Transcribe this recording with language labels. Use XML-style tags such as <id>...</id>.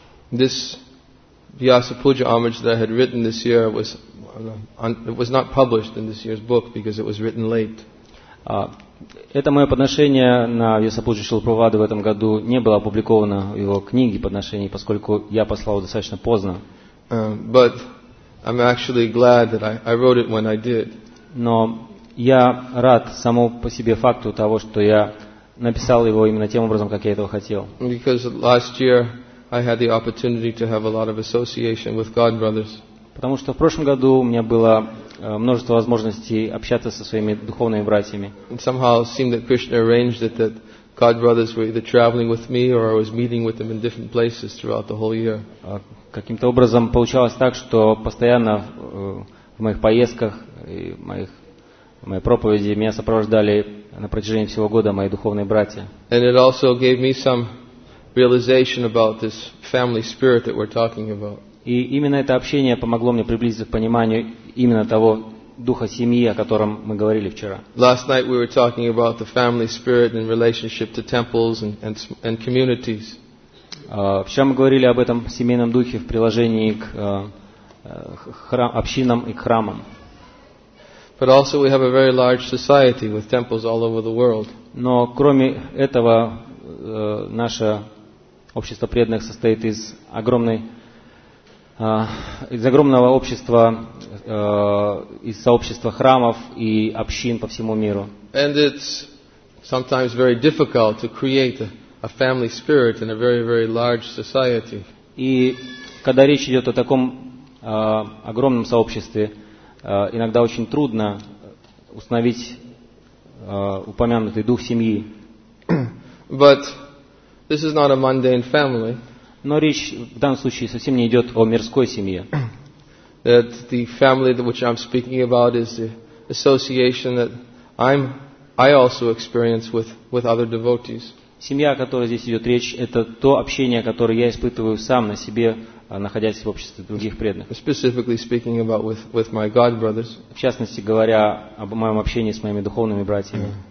<en>This Vyasa Puja homage that I had written this year was not published in this year's book because it was written late.</en> <ru>Это мое подношение на Вьясапуджу Шрилы Прабхупады в этом году не было опубликовано в его книге подношений, поскольку я послал достаточно поздно.</ru> <en>But I'm actually glad that I wrote it when I did.</en> <ru>Но я рад само по себе факту того, что я написал его именно тем образом, как я этого хотел.</ru> <en>Because last year I had the opportunity to have a lot of association with God brothers.</en> <ru>Потому что в прошлом году у меня было множество возможностей общаться со своими духовными братьями.</ru> <en>It somehow seemed that Krishna arranged it that God brothers were either traveling with me or I was meeting with them in different places throughout the whole year.</en> <ru>Каким-то образом получалось так, что постоянно в моих поездках и в моей проповеди меня сопровождали на протяжении всего года мои духовные братья.</ru> <en>And it also gave me some realization about this family spirit that we're talking about.</en> <ru>И именно это общение помогло мне приблизиться к пониманию именно того духа семьи, о котором мы говорили вчера.</ru> <en>Last night we were talking about the family spirit in relationship to temples and communities.</en> <ru>Вчера мы говорили об этом семейном духе в приложении к общинам и к храмам.</ru> <en>But also we have a very large society with temples all over the world.</en> <ru>Но кроме этого наше общество преданных состоит из огромной из огромного общества, из сообщества храмов и общин по всему миру.</ru> <en>And it's sometimes very difficult to create a family spirit in a very, very large society.</en> <ru>И когда речь идет о таком огромном сообществе, иногда очень трудно установить упомянутый дух семьи.</ru> <en>But this is not a mundane family.</en> <ru>Но речь в данном случае совсем не идет о мирской семье.</ru> <en>That the family that which I'm speaking about is the association that I also experience with other devotees.</en> <ru>Семья, о которой здесь идет речь, это то общение, которое я испытываю сам на себе, находясь в обществе других преданных.</ru> <en>Specifically speaking about with my God brothers.</en> <ru>В частности говоря об моем общении с моими духовными братьями.</ru>